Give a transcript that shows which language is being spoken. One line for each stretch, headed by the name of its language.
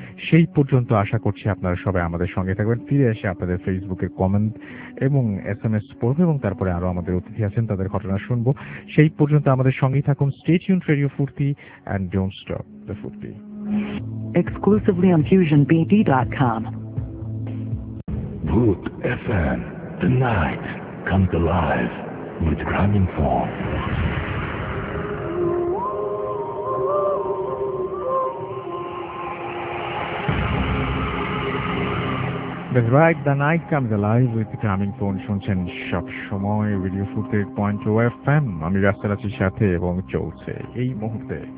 Bangla: সেই পর্যন্ত আশা করছি আপনারা সবাই আমাদের সঙ্গে থাকবেন। ফিরে এসে আপনাদের ফেসবুকে কমেন্ট এবং SMS পড়ব, এবং তারপরে আরও আমাদের অতিথি আছেন তাদের ঘটনা শুনবো। সেই পর্যন্ত আমাদের সঙ্গেই থাকুন,
English: Stay tuned radio Foorti, and don't stop the Foorti, exclusively on FusionBD.com. Boot FM. The night comes alive with Gramophone. That's right, the night comes alive with the coming phone.
Bangla: শুনছেন সবসময় রেডিও ফুটে পয়েন্ট ও এফ এম, আমি রাস্তার আছি সাথে এবং চলছে এই মুহূর্তে